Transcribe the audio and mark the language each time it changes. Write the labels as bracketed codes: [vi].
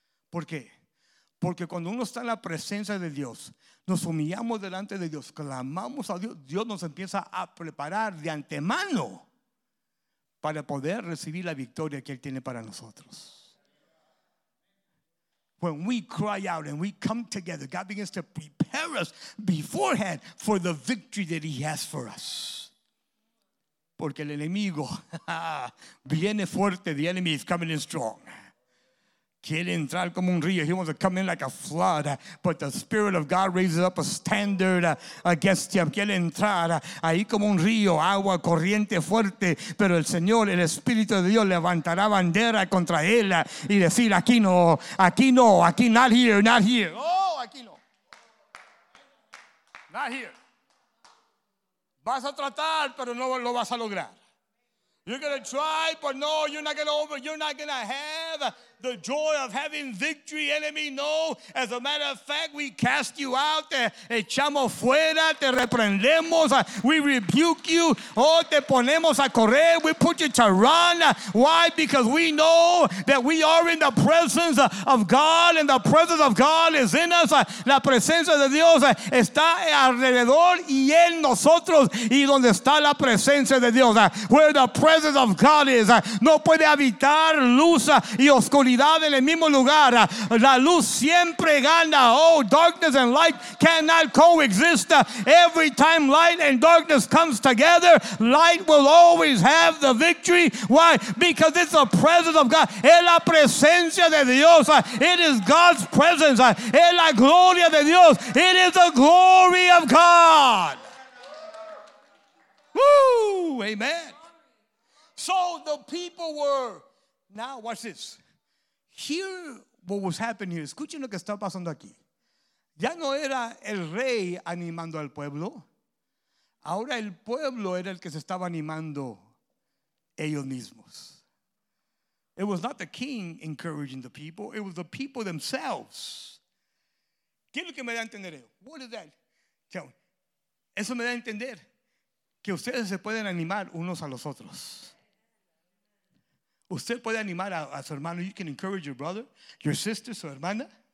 [es] ¿Por qué? Porque cuando uno está en la presencia de Dios, nos humillamos delante de Dios, clamamos a Dios, Dios nos empieza a preparar de antemano para poder recibir la victoria que Él tiene para nosotros. [en] When we cry out and we come together, God begins to prepare us beforehand for the victory that He has for us. [es] Porque el enemigo viene fuerte, [en] the enemy is coming in strong. [es] Quiere entrar como un río. [en] He wants to come in like a flood. But the Spirit of God raises up a standard against him. [es] Quiere entrar ahí como un río, agua, corriente fuerte. Pero el Señor, el Espíritu de Dios, levantará bandera contra él y decir, aquí no, aquí no, aquí, [en] not here, not here. [es] Oh, aquí no. [en] Not here. [es] Vas a tratar, pero no lo vas a lograr. [en] You're going to try, but no, you're not going to over. You're not going to have the joy of having victory, enemy. No, as a matter of fact, we cast you out. [es] Te echamos fuera, te reprendemos. [en] We rebuke you. Oh, [es] te ponemos a correr. [en] We put you to run. Why? Because we know that we are in the presence of God, and the presence of God is in us. [es] La presencia de Dios está alrededor y en nosotros. Y donde está la presencia de Dios, [en] where the presence of God is, [es] no puede habitar luz y oscuridad en el mismo lugar. La luz siempre gana. [en] Oh, darkness and light cannot coexist. Every time light and darkness comes together, light will always have the victory. Why? Because it's the presence of God. [es] Es la presencia de Dios. [en] It is God's presence. [es] Es la gloria de Dios. [en] It is the glory of God. Woo! Amen. So the people were, now watch this. Hear what was happening here. [es] Escuchen lo que está pasando aquí. Ya no era el rey animando al pueblo. Ahora el pueblo era el que se estaba animando ellos mismos. [en] It was not the king encouraging the people. It was the people themselves. [es] ¿Qué es lo que me da a entender? [en] What is that? Tell me. [es] Eso me da a entender que ustedes se pueden animar unos a los otros. Usted puede animar a su hermano. [en] You can encourage your brother, your sister, [es] su hermana.